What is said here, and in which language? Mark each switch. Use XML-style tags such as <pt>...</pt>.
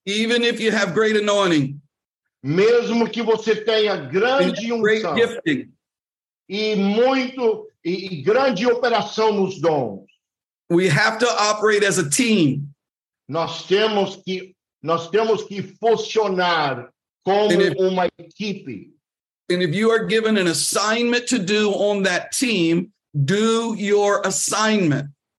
<en>Even if you have great anointing,</en> <pt>mesmo que você tenha grande unção</pt> <en>gifting,</en> <pt>e grande operação nos dons,</pt> <en>we have to operate as a team.</en> <pt>Nós temos que funcionar como uma equipe.</pt> <en>And if you are given an assignment to do on that team, do your assignment.</en>